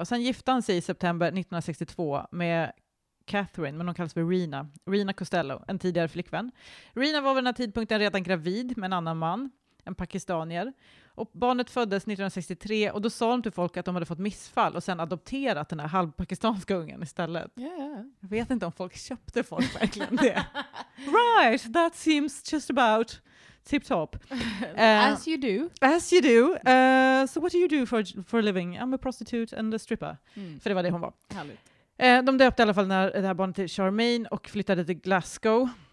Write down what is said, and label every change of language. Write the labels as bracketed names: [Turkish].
[Swedish] Och sen gifte han sig i september 1962 med Catherine, men hon kallas för Rina Costello, en tidigare flickvän. Rina var vid den här tidpunkten redan gravid med en annan man, en pakistanier. Och barnet föddes 1963 och då sa de till folk att de hade fått missfall och sen adopterat den här halvpakistanska ungen istället. [English] Yeah. [Swedish] Jag vet inte om folk köpte folk verkligen det. [English] Right, that seems just about tip-top. As you do. As you do. So what do you do for a living? I'm a prostitute and a stripper. [Swedish] Mm. För det var det hon var. Härligt. De döpte i alla fall när det här barnet till Charmaine och flyttade till Glasgow.